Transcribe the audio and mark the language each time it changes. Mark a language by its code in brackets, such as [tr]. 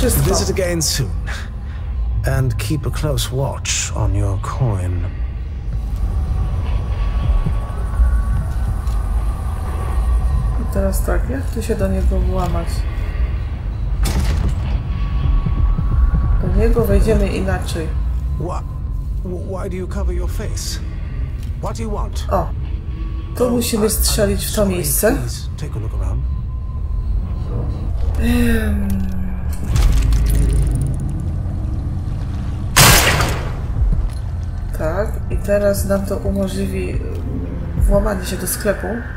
[en] Visit again soon, and keep a close watch on your coin. [pl] I teraz tak, jak tu się do niego włamać? Do niego wejdziemy inaczej. [en] Why do you cover your face? What do you want? [pl] O, to musimy strzelić w to miejsce. [en] Take a look around. Hmm. [pl] Tak, i teraz nam to umożliwi włamanie się do sklepu.